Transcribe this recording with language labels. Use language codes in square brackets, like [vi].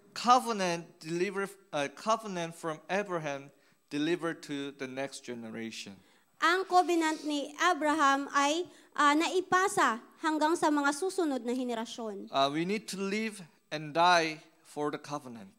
[en] Covenant from Abraham delivered to the next generation. [tl] Ang covenant ni Abraham ay naipasa hanggang sa mga susunod na henerasyon. [en] We need to live and die for the covenant.